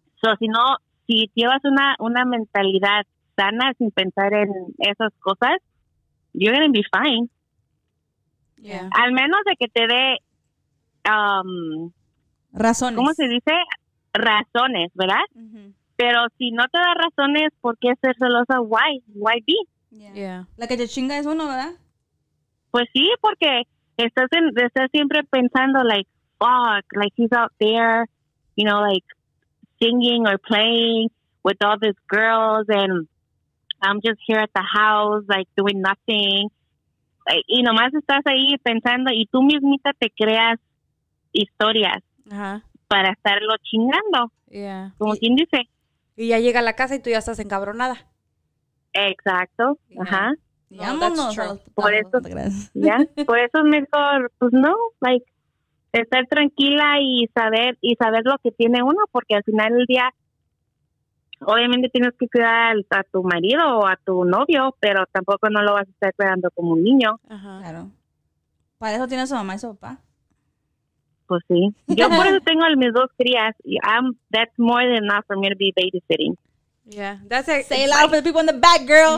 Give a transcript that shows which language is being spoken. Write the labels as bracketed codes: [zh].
[es] So, si llevas una mentalidad sana sin pensar en esas cosas, [en] you're going to be fine. Yeah. [es] Al menos de que te dé... razones. ¿Cómo se dice? Razones, ¿verdad? Mm-hmm. Pero si no te da razones, ¿por qué ser celosa? [en] Why? Why be? [es] Yeah. La que te chinga es uno, ¿verdad? Pues sí, porque estás siempre pensando, [en] like, fuck, like, he's out there, you know, like, singing or playing with all these girls, and I'm just here at the house, like, doing nothing. [es] Y nomás estás ahí pensando, y tú mismita te creas historias para estarlo chingando. [en] Yeah. [es] Como quien dice. Y ya llega a la casa y tú ya estás encabronada. Exacto. Ajá. [en] Yeah. No, that's true. [es] Por eso es mejor, pues no, like, estar tranquila y saber lo que tiene uno, porque al final del día, obviamente tienes que cuidar a tu marido o a tu novio, pero tampoco no lo vas a estar cuidando como un niño. Ajá. Claro. Para eso tiene a su mamá y su papá. Pues sí. Yo por eso tengo a mis dos crías. [en] That's more than enough for me to be babysitting. Yeah. That's it. Say it loud for the people in the back, girl.